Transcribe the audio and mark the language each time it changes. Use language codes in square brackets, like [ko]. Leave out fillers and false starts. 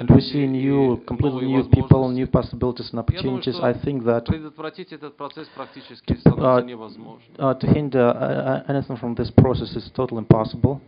[ru] люди, [en] and we see new, completely new people, new possibilities and opportunities. [ru] Думаю, [en] I think that [ru] предотвратить этот процесс практически становится невозможным. [en] To hinder anything from this process is totally impossible.